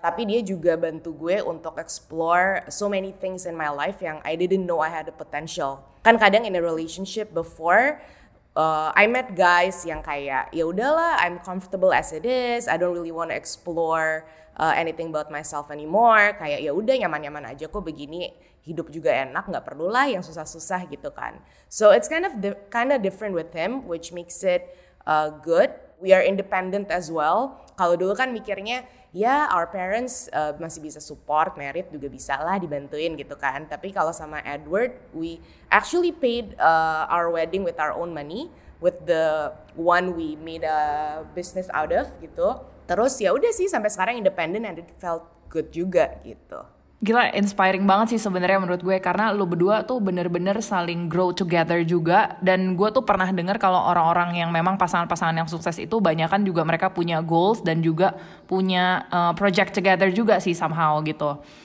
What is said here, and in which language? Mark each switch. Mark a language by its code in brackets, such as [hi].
[id] Tapi dia juga bantu gue untuk [en] explore so many things in my life [id] yang [en] I didn't know I had the potential. [id] Kan kadang [en] in a relationship before, I met guys [id] yang kayak ya udahlah, [en] I'm comfortable as it is. I don't really want to explore anything about myself anymore. [id] Kayak ya udah, nyaman-nyaman aja kok begini. Hidup juga enak, nggak perlulah yang susah-susah gitu kan. [en] So it's kind of different with him, which makes it good. We are independent as well. [id] Kalau dulu kan mikirnya ya [en] our parents [id] masih bisa support, merit juga bisa lah dibantuin gitu kan. Tapi kalau sama [en] Edward, we actually paid our wedding with our own money, with the one we made a business out of [id] gitu. Terus ya udah sih sampai sekarang [en] independent and it felt good [id] juga gitu. Gila, inspiring banget sih sebenarnya menurut gue karena lo berdua tuh bener-bener saling [en] grow together [id] juga. Dan gue tuh pernah dengar kalau orang-orang yang memang pasangan-pasangan yang sukses itu banyakan juga mereka punya goals dan juga punya [en] project together [id] juga sih [en] somehow [id] gitu.